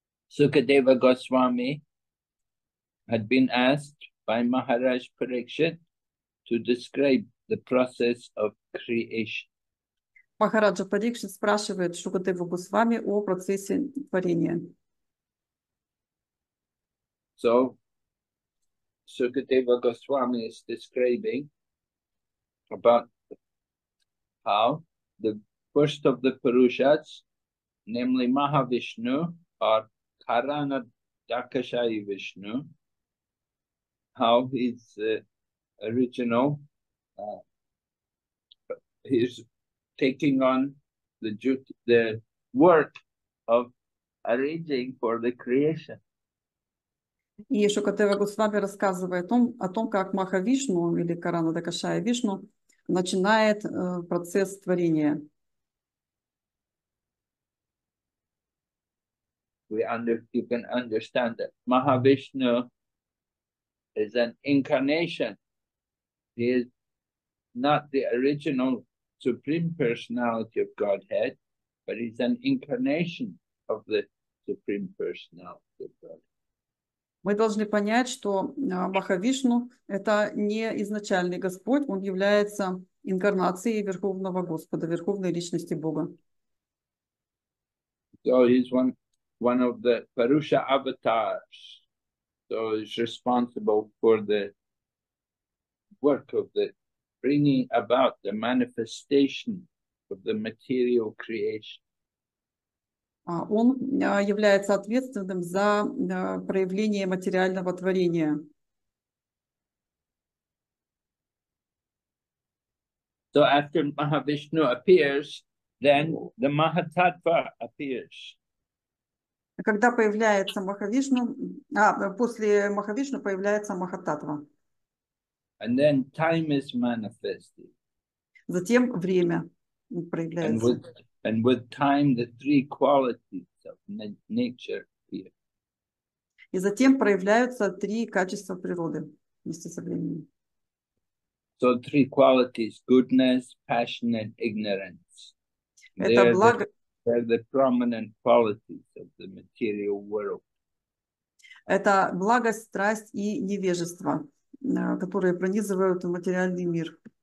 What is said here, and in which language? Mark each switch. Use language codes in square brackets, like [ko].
[en] Sukadeva Goswami had been asked by Maharaj Parikshit to describe the process of creation. [ru] Махараджа Парикшит спрашивает Шукадеву Госвами о процессе творения. [en] So, Шукадева Госвами is describing about how the first of the Purushas, namely Mahavishnu or Karana Dakshayi Vishnu, how his original his taking on the duty, the work of arranging for the creation. [ru] И Шукадева Госвами рассказывает о том, как Махавишну или Карана Дакашая Вишну начинает процесс творения. [en] You can understand that Махавишну is an incarnation. He is not the original Supreme Personality of Godhead, but he's an incarnation of the Supreme Personality of Godhead. [ru] Мы должны понять, что Махавишну это не изначальный Господь, он является инкарнацией Верховного Господа, Верховной Личности Бога. [en] So he's one of the Purusha avatars. So he's responsible for the work of the bringing about the manifestation of the material creation. [ru] Он является ответственным за проявление материального творения. [en] So after Mahavishnu appears, then the Mahatattva appears. [ru] Когда появляется Махавишну, после Махавишну появляется Махататтва. [en] And then time is manifested. [ru] Затем время проявляется. [en] And with time, the three qualities of nature appear. [ru] И затем проявляются три качества природы вместе со временем. [en] So three qualities: goodness, passion, and ignorance. [ru] Это благо. [en] They're the prominent qualities of the material world. [ru] Это благость, страсть и невежество, которые пронизывают материальный мир.